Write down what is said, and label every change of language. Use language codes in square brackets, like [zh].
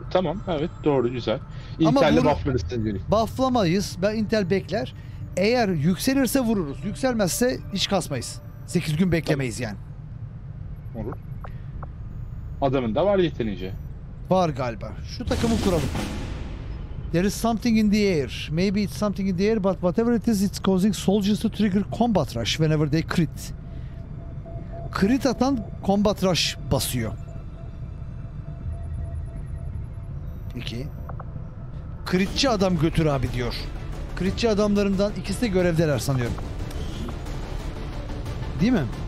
[tr] Tamam evet doğru güzel. Intel'le bufflarız seni. Bufflamayız. Ben Intel bekler. Eğer yükselirse vururuz. Yükselmezse hiç kasmayız. 8 gün beklemeyiz tamam. Yani. Olur. Adamın da var yetenince. Var galiba. Şu takımı kuralım. [en] There is something in the air. Maybe it's something in the air, but whatever it is, it's causing soldiers to trigger combat rush whenever they crit. [tr] Crit atan combat rush basıyor. 2. Critçi adam götür abi diyor. Critçi adamlarından ikisi de görevdeler sanıyorum. Değil mi?